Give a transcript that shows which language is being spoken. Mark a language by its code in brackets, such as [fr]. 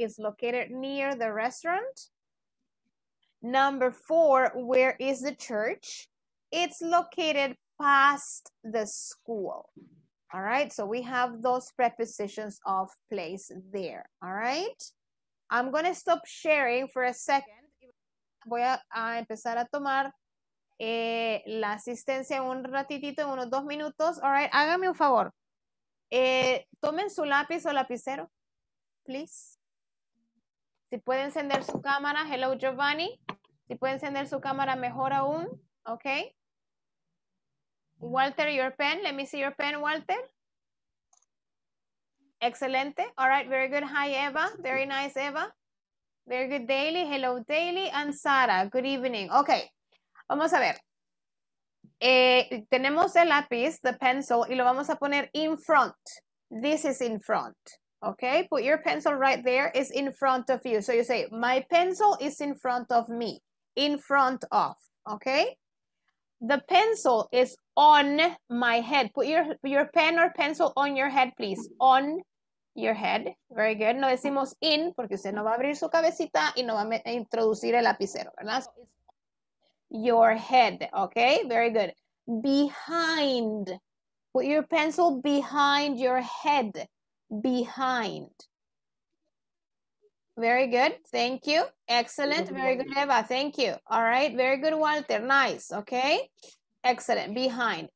[en] It's located near the restaurant. Number four, where is the church? It's located past the school. All right, so we have those prepositions of place there. All right, I'm gonna stop sharing for a second. [es] Voy a empezar a tomar la asistencia un ratitito, en unos dos minutos. [en] All right, [es] hágame un favor. Tomen su lápiz o lapicero, [en] please. [es] Si pueden encender su cámara, [en] hello Giovanni. [es] Si pueden encender su cámara, mejor aún, okay. [en] Walter, your pen, let me see your pen, Walter. [es] Excelente, [en] all right, very good. Hi, Eva, very nice, Eva. Very good, Daily, hello, Daily. And Sara, good evening, okay. [es] Vamos a ver. Tenemos el lápiz, [en] the pencil, [es] y lo vamos a poner [en] in front. This is in front, okay? Put your pencil right there, it's in front of you. So you say, my pencil is in front of me, in front of, okay? The pencil is on my head. Put your pen or pencil on your head, please. On your head, very good. [es] No decimos in, porque usted no va a abrir su cabecita y no va a introducir el lapicero, ¿verdad? [en] So it's your head, okay, very good. Behind, put your pencil behind your head, behind. Very good, thank you, excellent, very good, Eva, thank you. All right, very good, Walter, nice, okay, excellent, behind.